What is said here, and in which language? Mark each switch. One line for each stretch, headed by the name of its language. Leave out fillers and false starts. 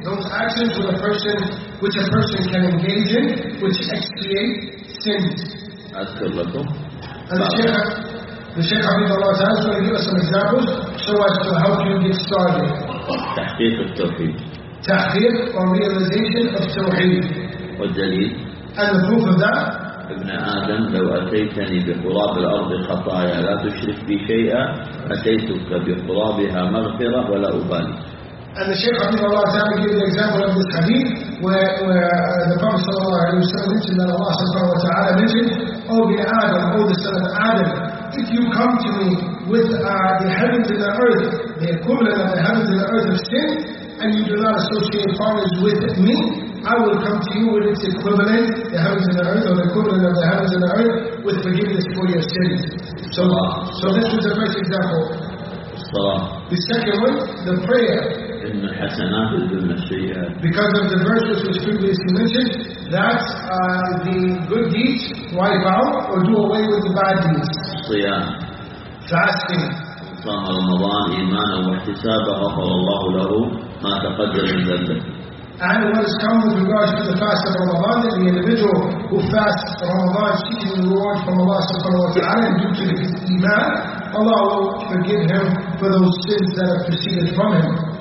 English: Those actions with a person, which a person can engage in, which expiate sins. That's good level. And the Shaykh Hafizahullah Ta'ala is going to give us some examples so as to help you get started. Tahqiq of Tawheed. Tahqiq or realization of Tawheed. What dalil? And the proof of that?
Arabic: ابن آدم لو أتيتني بقراب الأرض خطايا لا تشرك بي شيئا أتيتك بقرابها مغفرة ولا أبالي.
English: And the Shaykh Hafizahullah Ta'ala gave the example of this hadith where the Prophet sallallahu alayhi wa sallam mentioned that Allah subhanahu wa ta'ala mentioned, O bin Adam, O the son of Adam, if you come to me with the heavens and the earth, the equivalent of the heavens and the earth of sin, and you do not associate partners with me, I will come to you with its equivalent, the heavens and the earth, or the equivalent of the heavens and the earth, with forgiveness for your sins. So this was the first example. Salah. The second one, the prayer.
Arabic: إن الحسنات تذهب السيئات.
English: Because of the verses which previously mentioned that the good deeds wipe out or do away with the bad deeds.
Arabic: صيام.
English: Fasting.
Arabic: صام رمضان إيمانا واحتسابا غفر الله له ما تقدم من ذنبه.
English: And what is common with regards to the fast of Ramadan, that the individual who fasts Ramadan seeking the reward from Allah subhanahu wa ta'ala due to his iman, Allah will forgive him for those sins that have proceeded from him.